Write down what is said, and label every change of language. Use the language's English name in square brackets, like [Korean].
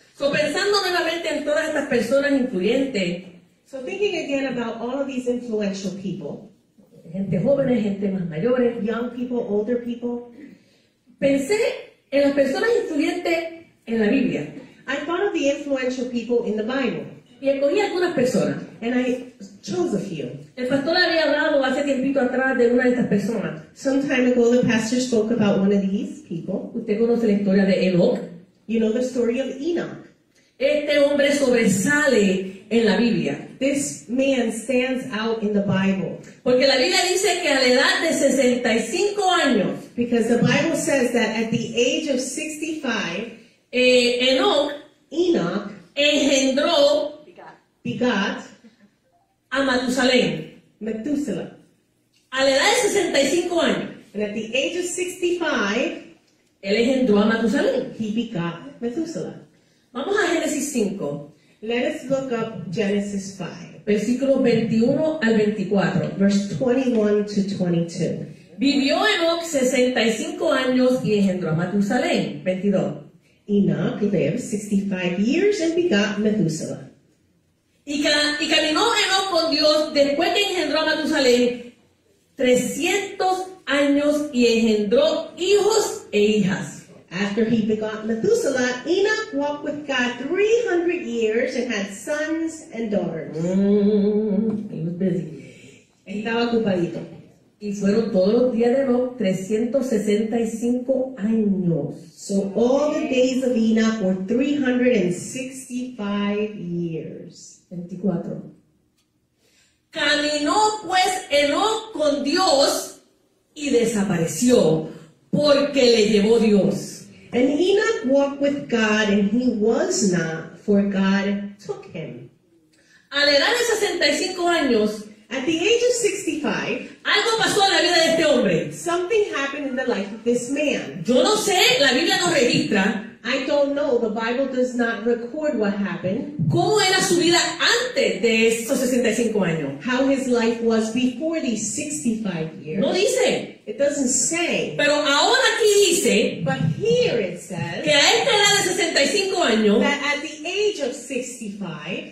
[Spanish] So pensando nuevamente en todas estas personas influyentes. [English] So thinking again about all of these influential people. [Spanish] Gente jóvenes, gente más mayores. [English] Young people, older people. [Spanish] Pensé en las personas influyentes en la Biblia. [English] I thought of the influential people in the Bible. [Spanish] Y escogí algunas personas. [English] And I chose a few. [Spanish] El pastor había hablado hace tiempito atrás de una de estas personas. [English] Some time ago the pastor spoke about one of these people. [Spanish] Usted conoce la historia de Enoch. [English] You know the story of Enoch. [Spanish] Este hombre sobresale en la Biblia. [English] This man stands out in the Bible. [Spanish] Porque la Biblia dice que a la edad de 65 años, [English] because the Bible says that at the age of 65, [Spanish] Enoch engendró, [English] begat, [Spanish] a Matusalén. [English] Methuselah. [Spanish] A la edad de 65 años, [English] and at the age of 65, [Spanish] él engendró a Matusalén. [English] He begat Methuselah. [Spanish] Vamos a Génesis 5. [English] Let us look up Genesis 5. [Spanish] Versículo 21 al 24. [English] Verse 21 to 22. [Spanish] Vivió Enoch 65 años y engendró a Matusalén. 22. [English] Enoch lived 65 years and begot Methuselah. [Spanish] Y caminó Enoch con Dios después que engendró a Matusalén 300 años y engendró hijos e hijas. [English] After he begot Methuselah, Enoch walked with God 300 years and had sons and daughters. He was busy. [Spanish] Estaba ocupadito. Y fueron todos los días de Enoch 365 años. [English] So all the days of Enoch were 365 years. 24. [Spanish] Caminó pues Enoch con Dios y desapareció porque le llevó Dios. [English] And Enoch walked with God, and he was not, for God took him. [Spanish] A la edad de 65 años, [English] at the age of 65, [Spanish] algo pasó en la vida de este hombre. [English] Something happened in the life of this man. [Spanish] Yo no sé, la Biblia no registra. [English] I don't know, the Bible does not record what happened. [Spanish] ¿Cómo era su vida antes de esos 65 años? [English] How his life was before these 65 years. [Spanish] No dice. [English] It doesn't say. [Spanish] Pero ahora aquí dice. [English] But here it says. [Spanish] Que a esta edad de 65 años. [English] That at the age of 65.